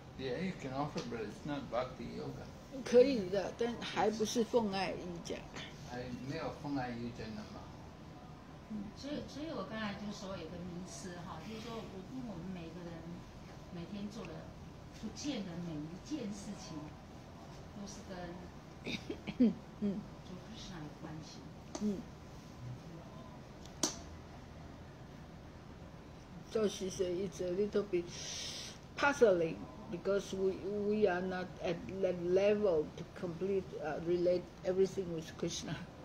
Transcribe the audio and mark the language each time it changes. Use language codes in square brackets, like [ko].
[en] Yeah, you can offer, but it's not bhakti yoga. [zh] 可以的，但还不是奉爱瑜伽。还没有奉爱瑜伽呢吗？所以我刚才就说有个名词哈，就是说我们每个人每天做的不见得每一件事情都是跟主菩萨有关系。 [en] So she said it's a little bit puzzling because we are not at that level to complete relate everything with Krishna.